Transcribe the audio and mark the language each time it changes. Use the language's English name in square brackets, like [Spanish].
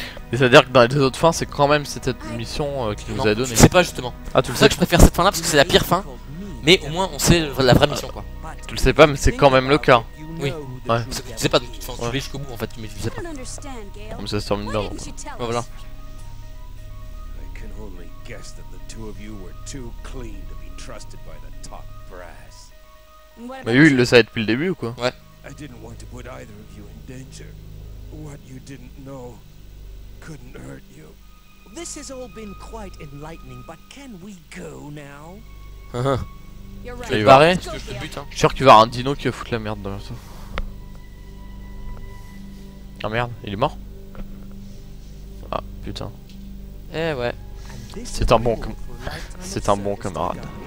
[French] Mais c'est à dire que dans les deux autres fins c'est quand même cette mission qui nous a donné. Je sais pas justement. Ah tu le sais que je préfère cette fin là parce que c'est la pire fin. Mais au moins on sait la vraie mission quoi. Tu le sais pas mais c'est quand même le cas. Oui. Ouais. Parce que tu sais pas donc tu vas jusqu'au bout en fait. Mais tu sais pas. Non mais ça se termine bien. Bah voilà. [English] Only guess that the two of you were too clean to be trusted by the top brass. [French] Mais lui, il le savait depuis le début ou quoi? Ouais. [English] I didn't want to put either of you in danger. What you didn't know couldn't hurt you. This has all been quite enlightening, but can we go now? [French] Tu vas rien? Je suis sûr qu'il va y avoir un dino qui va foutre la merde dans le tout. Ah merde, il est mort? Ah putain. Eh ouais. C'est un bon camarade.